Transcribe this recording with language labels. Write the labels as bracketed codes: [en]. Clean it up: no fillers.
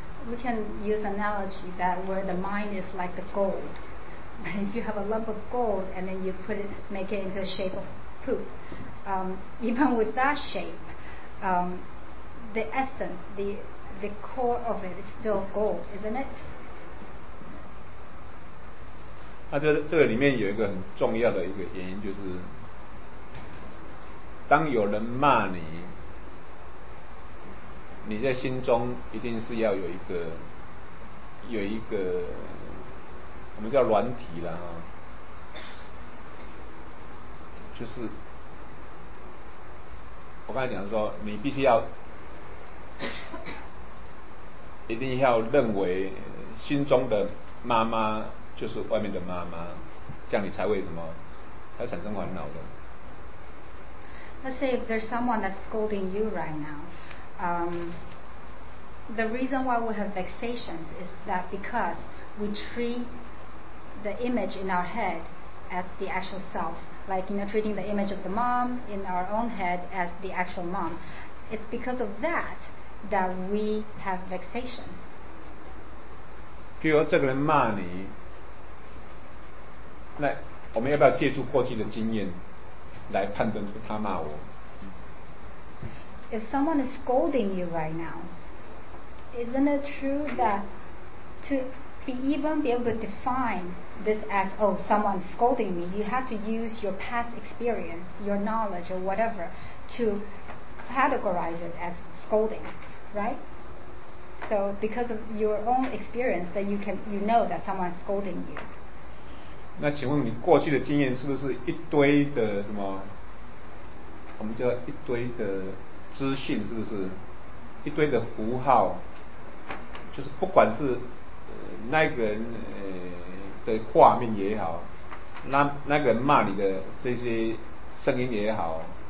[en] We can use analogy that where the mind is like the gold. If you have a lump of gold and then you make it into the shape of poop. Even with that shape, the essence, the core of it is still gold, isn't it? [zh] 那这个里面有一个很重要的一个原因，就是当有人骂你，你在心中一定是要有一个我们叫软体啦，就是。我刚才讲说你必须要一定要认为心中的妈妈就是外面的妈妈，这样你才会什么才产生烦恼的。 [en] Let's say if there's someone that's scolding you right now, the reason why we have vexations is that because we treat the image in our head as the actual self, like, you know, treating the image of the mom in our own head as the actual mom. It's because of that that we have vexations. [zh] 比如这个人骂你，那我们要不要借助过去的经验来判断出他骂我？ [en] If someone is scolding you right now, isn't it true that to be even be able to define this as, oh, someone's scolding me, you have to use your past experience, your knowledge or whatever to categorize it as scolding, right? So because of your own experience that you know that someone is scolding you. [zh] 那请问你过去的经验是不是一堆的什么，我们叫一堆的资讯，是不是一堆的符号，就是不管是那个人的画面也好，那个人骂你的这些声音也好，